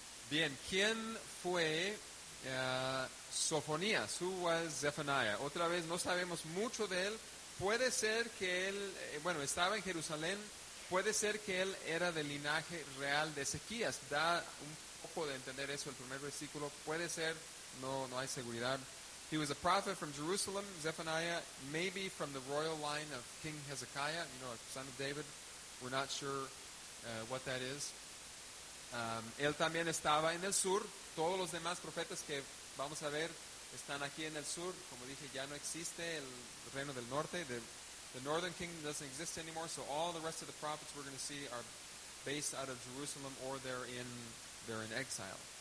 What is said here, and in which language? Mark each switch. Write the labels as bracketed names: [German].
[Spanish] Bien, ¿quién fue Sofonías? [English] Who was Zephaniah? [Spanish] Otra vez, no sabemos mucho de él. Puede ser que él, estaba en Jerusalén. Puede ser que él era del linaje real de Ezequías. Da un poco de entender eso el primer versículo. Puede ser, no hay seguridad. [English] He was a prophet from Jerusalem, Zephaniah, maybe from the royal line of King Hezekiah, a son of David. We're not sure what that is. [Spanish] Él también estaba en el sur. Todos los demás profetas que vamos a ver están aquí en el sur. Como dije, ya no existe el reino del norte. [English] The northern kingdom doesn't exist anymore, so all the rest of the prophets we're going to see are based out of Jerusalem or they're in exile.